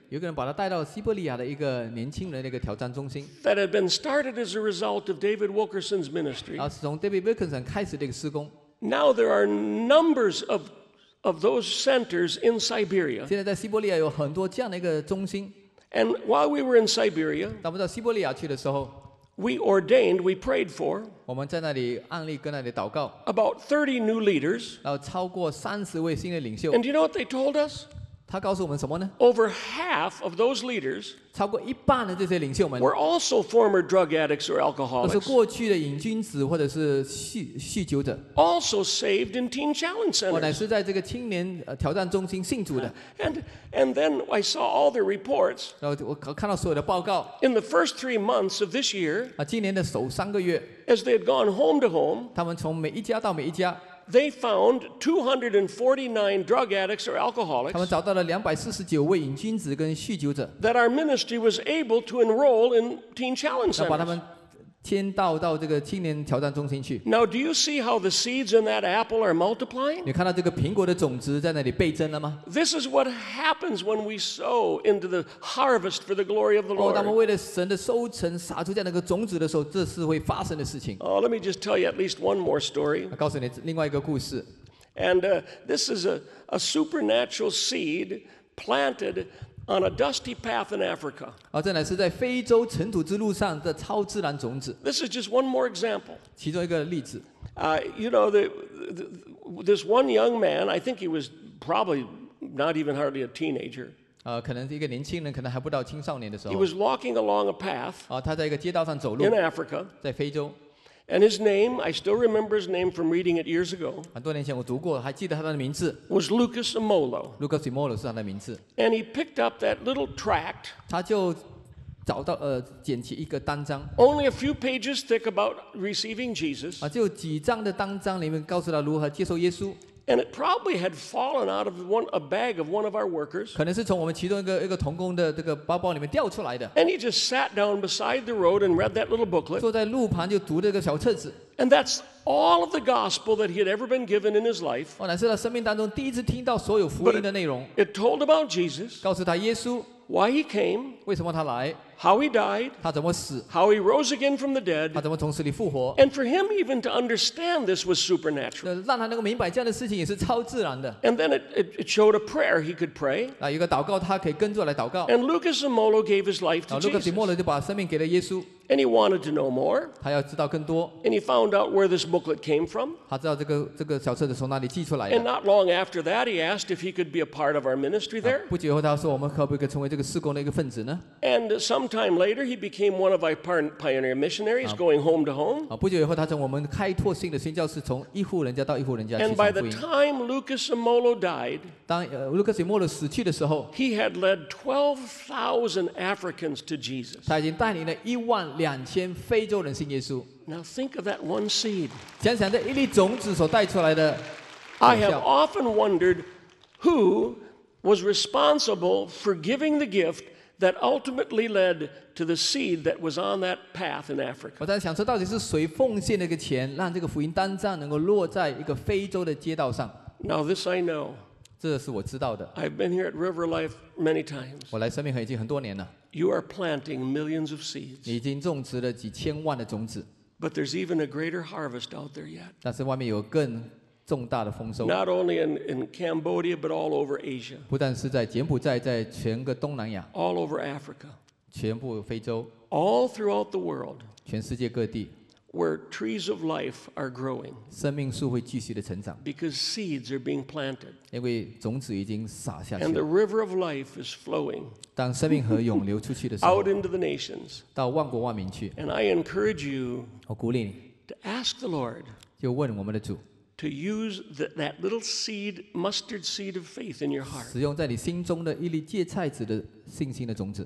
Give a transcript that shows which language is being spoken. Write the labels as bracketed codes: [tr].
[zh] 有个人把他带到西伯利亚的一个年轻人的一个挑战中心。 [en] That had been started as a result of David Wilkerson's ministry. [zh] 啊，是从 David Wilkerson 开始的一个施工。 [en] Now there are numbers of those centers in Siberia. [zh] 现在在西伯利亚有很多这样的一个中心。 [en] And while we were in Siberia, [zh] 当我们到西伯利亚去的时候。 [en] We ordained. We prayed for. [zh] 我们在那里按例跟那里祷告。 [en] About 30 new leaders. [zh] 然后超过30位新的领袖。 [en] And do you know what they told us? [zh] 他告诉我们什么呢 [en] ？Over half of those leaders. [zh] 超过一半的这些领袖们。 [en] Were also former drug addicts or alcoholics. [zh] 都是过去的瘾君子或者是酗酒者。 [en] Also saved in teen challenge centers. [zh] 我乃是在这个青年挑战中心信主的。 [en] And then I saw all the reports. [zh] 然后我看到所有的报告。 [en] In the first 3 months of this year. [zh] 啊，今年的首3个月。 [en] As they had gone home to home. [zh] 他们从每一家到每一家。 [en] They found 249 drug addicts or alcoholics. [zh] 他们找到了249位瘾君子跟酗酒者。 [en] That our ministry was able to enroll in teen challenge centers. [zh] 把他们迁到这个青年挑战中心去。 [en] Now, do you see how the seeds in that apple are multiplying? [zh] 你看到这个苹果的种子在那里倍增了吗 [en] ？This is what happens when we sow into the harvest for the glory of the Lord. [zh] 哦，当我们为了神的收成撒出这样的一个种子的时候，这是会发生的事情。 [en] Oh, let me just tell you at least one more story. [zh] 告诉你另外一个故事。 [en] And this is a supernatural seed planted. On a dusty path in Africa. [zh] 啊，这乃是在非洲尘土之路上的超自然种子。 [en] This is just one more example. [zh] 其中一个例子。 [en] You know, this one young man. I think he was probably not even hardly a teenager. [zh] 可能一个年轻人，可能还不到青少年的时候。 [en] He was walking along a path. [zh] 啊，他在一个街道上走路。 [en] In Africa. [zh] 在非洲。 [en] And his name, I still remember his name from reading it years ago. [zh] 很多年前我读过，还记得他的名字。 [en] Was Lucas Imolo. [zh] Lucas Imolo 是他的名字。 [en] And he picked up that little tract. [zh] 他就找到捡起一个单张。 [en] Only a few pages thick about receiving Jesus. [zh] 啊，就几张的单张里面告诉他如何接受耶稣。 [en] And it probably had fallen out of a bag of one of our workers. [zh] 可能是从我们其中一个同工的这个包包里面掉出来的。 [en] And he just sat down beside the road and read that little booklet. [zh] 坐在路旁就读这个小册子。 [en] And that's all of the gospel that he had ever been given in his life. [zh] 哦，乃是他生命当中第一次听到所有福音的内容。 [en] It told about Jesus. [zh] 告诉他耶稣。 [en] Why he came? [zh] 为什么他来？ [en] How he died? [zh] 他怎么死？ [en] How he rose again from the dead? [zh] 他怎么从死里复活？ [en] And for him even to understand this was supernatural. [zh] 让他能够明白这样的事情也是超自然的。 [en] And then it showed a prayer he could pray. [zh] 啊，一个祷告他可以跟着来祷告。 [en] And Lucas Zimolo gave his life to Jesus. [zh] 卢卡斯·莫勒就把生命给了耶稣。 [en] And he wanted to know more. [zh] 他要知道更多。 [en] And he found out where this booklet came from. [zh] 他知道这个小册子从哪里寄出来的。 [en] And not long after that, he asked if he could be a part of our ministry there. [zh] 不久后他说我们可不可以成为这个事工的一个分子呢？ [en] And sometime later, he became one of our pioneer missionaries going home to home. [zh] 不久以后他从我们开拓性的宣教士从一户人家到一户人家去传福音。 [en] And by the time Lucas Zimolo died, [zh] 当Lucas Zimolo死去的时候， [en] he had led 12,000 Africans to Jesus. [zh] 他已经带领了12,000非洲人信耶稣。 [en] Now think of that one seed. [zh] 想想这一粒种子所带出来的果效。 [en] I have often wondered who was responsible for giving the gift that ultimately led to the seed that was on that path in Africa. [zh] 我在想说，到底是谁奉献那个钱，让这个福音单张能够落在一个非洲的街道上 [en] ？Now this I know. [zh] 这是我知道的。 [en] I've been here at River Life many times. [zh] 我来生命河已经很多年了。 [en] You are planting millions of seeds. [zh] 你已经种植了几千万的种子。 [en] But there's even a greater harvest out there yet. [zh] 但是外面有更重大的丰收。 [en] Not only in Cambodia, but all over Asia. [zh] 不但是在柬埔寨，在全个东南亚。 [en] All over Africa. [zh] 全部非洲。 [en] All throughout the world. [zh] 全世界各地。 [en] Where trees of life are growing. [zh] 生命树会继续的成长。 [en] Because seeds are being planted. [zh] 因为种子已经撒下去了。 [en] And the river of life is flowing. [zh] 当生命河涌流出去的时候。 [en] Out into the nations. [zh] 到万国万民去。 [en] And I encourage you. [zh] 我鼓励你。 [en] To ask the Lord. [zh] 就问我们的主。 [en] To use that little seed, mustard seed of faith in your heart. [zh] 使用在你心中的一粒芥菜籽的信心的种子。